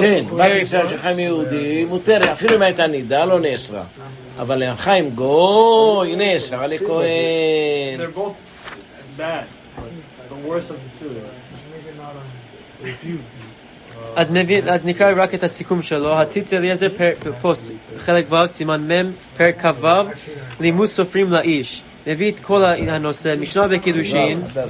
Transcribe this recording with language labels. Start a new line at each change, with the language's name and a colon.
Hebrew: כן, בת יישראל שחיים יהודי, מותר, אפילו אם הייתה נידה, לא נאסרה. אבל להנחה עם גוי, נאסרה לכהן.
English: They're both bad, but the worst of the two.
Hebrew: אז נביא, אז נקרא רק את הסיכום שלו. הציץ אליעזר פה, חלק ו', סימן מ', פרק כ', לימוד סופרים לאיש. נביא את כל הנושא, משנה בקידושין.